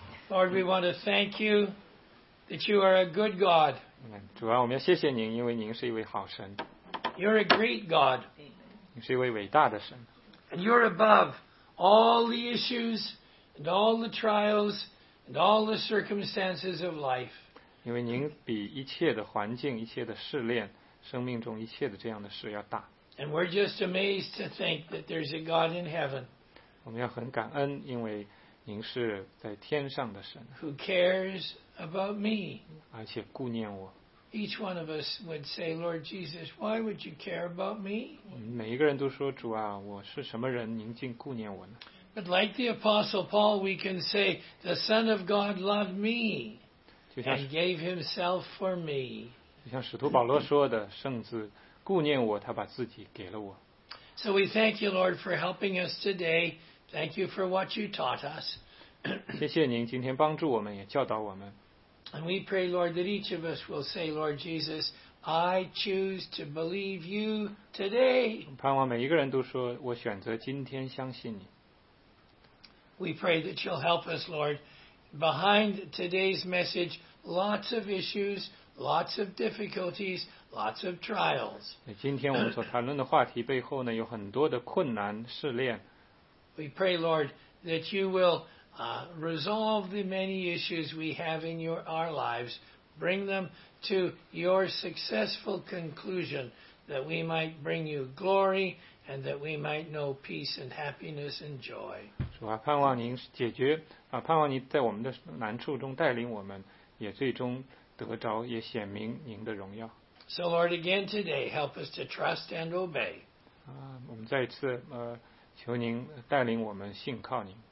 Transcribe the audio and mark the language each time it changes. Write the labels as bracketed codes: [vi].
[en] Lord, we want to thank you that you are a good God. [zh] 主啊，我们要谢谢您，因为您是一位好神。 [en] You're a great God. [zh] 你是一位伟大的神。 [en] And you're above all the issues and all the trials and all the circumstances of life. [zh] 因为您比一切的环境、一切的试炼、生命中一切的这样的事要大。 [en] And we're just amazed to think that there's a God in heaven. [zh] 我们要很感恩，因为您是在天上的神。 [en] Who cares about me? [zh] 而且顾念我。 [en] Each one of us would say, Lord Jesus, why would you care about me? [zh] 每一个人都说，主啊，我是什么人，您竟顾念我呢？ [en] But like the Apostle Paul, we can say, the Son of God loved me and gave himself for me. [zh] 就像使徒保罗说的，圣子顾念我，他把自己给了我。 [en] So we thank you, Lord, for helping us today. Thank you for what you taught us. [zh] 谢谢您今天帮助我们，也教导我们。 [en] And we pray, Lord, that each of us will say, Lord Jesus, I choose to believe you today. [zh] 盼望每一个人都说，我选择今天相信你。 [en] We pray that you'll help us, Lord. Behind today's message, lots of issues, lots of difficulties, lots of trials. [zh] 今天我们所谈论的话题背后呢，有很多的困难试炼。 [en] We pray, Lord, that you will resolve the many issues we have in our lives. Bring them to your successful conclusion that we might bring you glory and that we might know peace and happiness and joy. [zh] 主啊，盼望您解决啊，盼望您在我们的难处中带领我们，也最终得着，也显明您的荣耀。 [en] So Lord, again today, help us to trust and obey. [zh] 我们再一次求您带领我们信靠您。